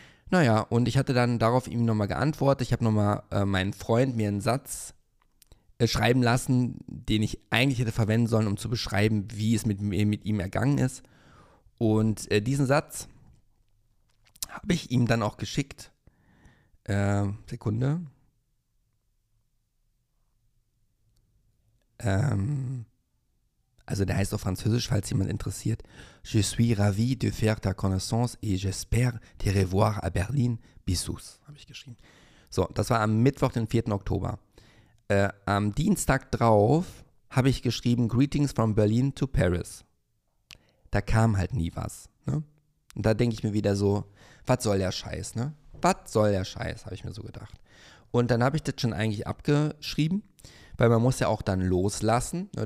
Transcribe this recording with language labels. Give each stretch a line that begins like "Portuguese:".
German: Naja, und ich hatte dann darauf ihm nochmal geantwortet. Ich habe nochmal meinen Freund mir einen Satz schreiben lassen, den ich eigentlich hätte verwenden sollen, um zu beschreiben, wie es mit ihm ergangen ist. Und diesen Satz habe ich ihm dann auch geschickt. Sekunde. Also der heißt auf Französisch, falls jemand interessiert.
French: Je suis ravi de faire ta connaissance et j'espère te revoir à Berlin.
German: Bisous, habe ich geschrieben. So, das war am Mittwoch, den 4. Oktober. Am Dienstag drauf habe ich geschrieben,
English: Greetings from Berlin to Paris.
German: Da kam halt nie was. Ne? Und da denke ich mir wieder so, was soll der Scheiß, ne? Was soll der Scheiß, habe ich mir so gedacht. Und dann habe ich das schon eigentlich abgeschrieben, weil man muss ja auch dann loslassen. Ne?